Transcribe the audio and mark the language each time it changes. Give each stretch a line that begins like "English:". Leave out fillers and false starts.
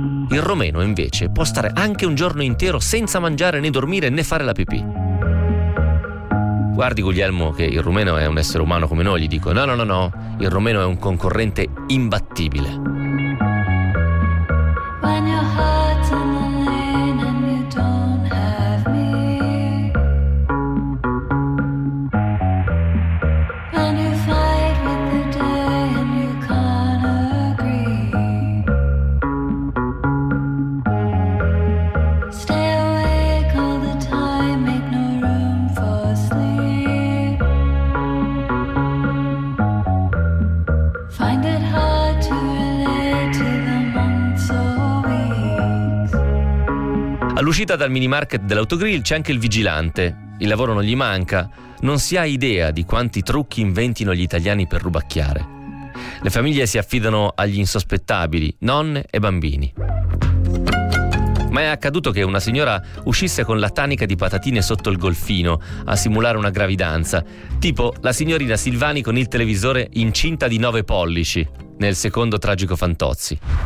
Italian: Il romeno, invece, può stare anche un giorno intero senza mangiare né dormire né fare la pipì. Guardi, Guglielmo, che il romeno è un essere umano come noi, gli dico. No. Il romeno è un concorrente imbattibile.
English: When your heart's in the lane and you don't have me. When you fight with the day and you can't agree. Stay awake all the time, make no room for sleep. Find it hard to relate to the months or weeks.
Italian: All'uscita dal mini market dell'autogrill c'è anche il vigilante. Il lavoro non gli manca, non si ha idea di quanti trucchi inventino gli italiani per rubacchiare. Le famiglie si affidano agli insospettabili, nonne e bambini. Ma è accaduto che una signora uscisse con la tanica di patatine sotto il golfino a simulare una gravidanza, tipo la signorina Silvani con il televisore incinta di 9 pollici nel secondo tragico Fantozzi.